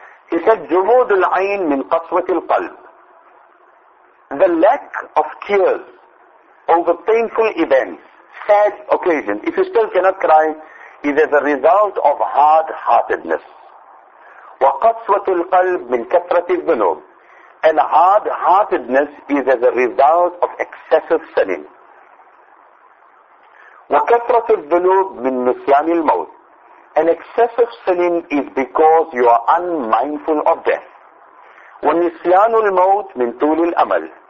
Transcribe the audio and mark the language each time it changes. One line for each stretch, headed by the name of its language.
English: He said,
Arabic: جمود العين من قسوة القلب.
English: The lack of tears over painful events, sad occasions, if you still cannot cry, is as a result of hard-heartedness.
Arabic: وقسوة القلب من كثرة الذنوب.
English: And hard-heartedness is as a result of excessive sinning.
Arabic: وَكَثْرَةُ الذُّنُوبِ مِنْ نُسْيَانِ الْمَوْتِ.
English: An excessive sinning is because you are unmindful of death.
Arabic: وَنِسْيَانُ الْمَوْتِ مِنْ طُولِ الْأَمَلِ.